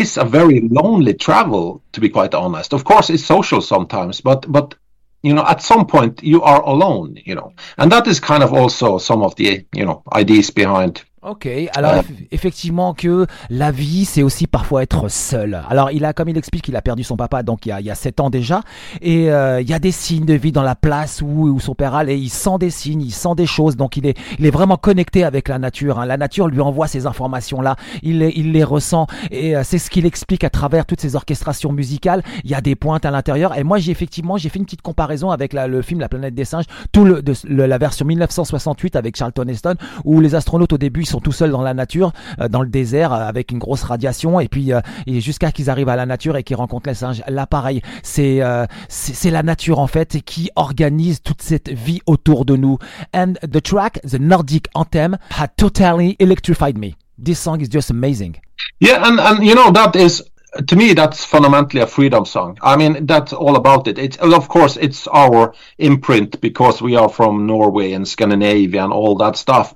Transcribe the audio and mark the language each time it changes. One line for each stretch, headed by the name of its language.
English: is a very lonely travel, to be quite honest. Of course, it's social sometimes, but you know, at some point you are alone, you know, and that is kind of also some of the, you know, ideas behind.
French: Ok, alors effectivement que la vie, c'est aussi parfois être seul. Alors comme il explique, il a perdu son papa donc il y a 7 ans déjà, et il y a des signes de vie dans la place où son père allait, il sent des signes, il sent des choses, donc il est vraiment connecté avec la nature, hein. La nature lui envoie ces informations là, il les ressent, et c'est ce qu'il explique à travers toutes ces orchestrations musicales. Il y a des pointes à l'intérieur, et moi j'ai fait une petite comparaison avec la, le film La Planète des Singes, la version 1968 avec Charlton Heston, où les astronautes au début ils sont tout seuls dans la nature, dans le désert, avec une grosse radiation, et puis et jusqu'à qu'ils arrivent à la nature et qu'ils rencontrent les singes. Là, pareil, c'est la nature, en fait, qui organise toute cette vie autour de nous.
English: And the track, the Nordic Anthem, had totally electrified me. This song is just amazing. Yeah, and you know, that is, to me, that's fundamentally a freedom song. I mean, that's all about it. It's, of course, it's our imprint, because we are from Norway and Scandinavia and all that stuff.